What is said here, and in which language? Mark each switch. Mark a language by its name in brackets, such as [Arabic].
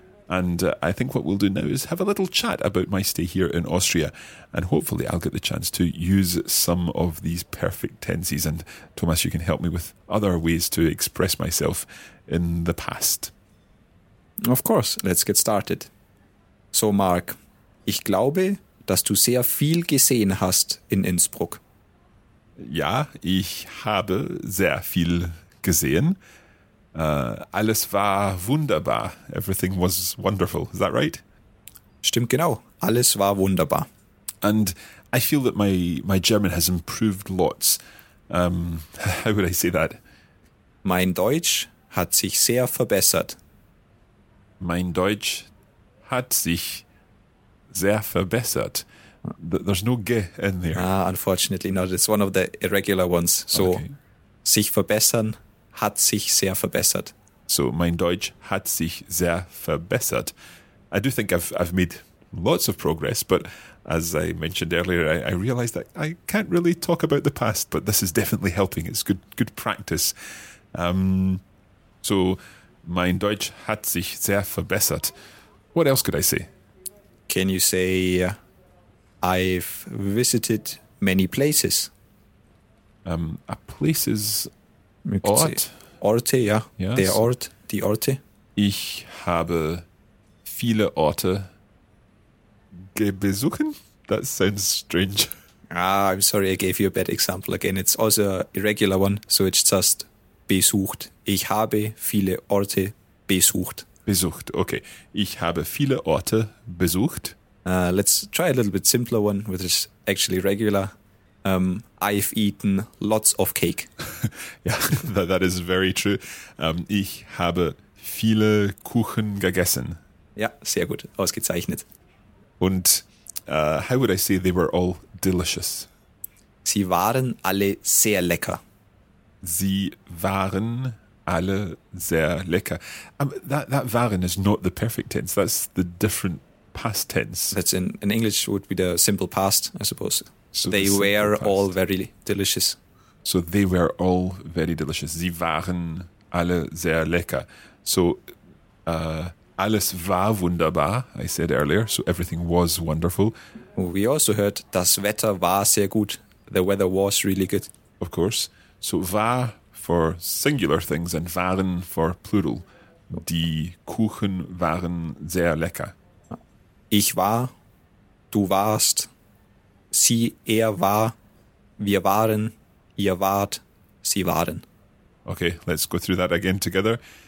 [English] And I think what we'll do now is have a little chat about my stay here in Austria. And hopefully I'll get the chance to use some of these perfect tenses. And Thomas, you can help me with other ways to express myself in the past. Of course, let's get started. [German] So, Mark, ich glaube, dass du sehr viel gesehen hast in Innsbruck. Ja, ich habe sehr viel gesehen. Alles war wunderbar. [English] Everything was wonderful. Is that right? [German] Stimmt genau. Alles war wunderbar. [English] And I feel that my German has improved lots. How would I say that? [German] Mein Deutsch hat sich sehr verbessert. Mein Deutsch hat sich sehr verbessert. [English] There's no ge in there. Unfortunately not. It's one of the irregular ones. So, okay. [German] Sich verbessern, hat sich sehr verbessert. So, mein Deutsch hat sich sehr verbessert. [English] I do think I've made lots of progress, but as I mentioned earlier, I realized that I can't really talk about the past, but this is definitely helping. It's good practice. [German] So, mein Deutsch hat sich sehr verbessert. [English] What else could I say? Can you say I've visited many places? A places, Ort? [German] Orte, ja. [English] Yes. [German] Der Ort, die Orte. Ich habe viele Orte besuchen. [English] That sounds strange. I'm sorry, I gave you a bad example again. It's also an irregular one, so it's just besucht. [German] Ich habe viele Orte besucht. Besucht, okay. Ich habe viele Orte besucht. [English] Let's try a little bit simpler one, which is actually regular. I've eaten lots of cake. Yeah, that is very true. [German] Ich habe viele Kuchen gegessen. Ja, sehr gut. Ausgezeichnet. [English] Und how would I say they were all delicious? [German] Sie waren alle sehr lecker. Sie waren alle sehr lecker. [English] That waren is not the perfect tense. That's the different past tense. That's in English would be the simple past, I suppose. So they were past. All very delicious. So they were all very delicious. [German] Sie waren alle sehr lecker. So alles war wunderbar, [English] I said earlier. So everything was wonderful. We also heard [German] das Wetter war sehr gut. [English] The weather was really good. Of course. So war for singular things and waren for plural. [German] Die Kuchen waren sehr lecker. Ich war, du warst, sie, er war, wir waren, ihr wart, sie waren. [English] Okay, let's go through that again together.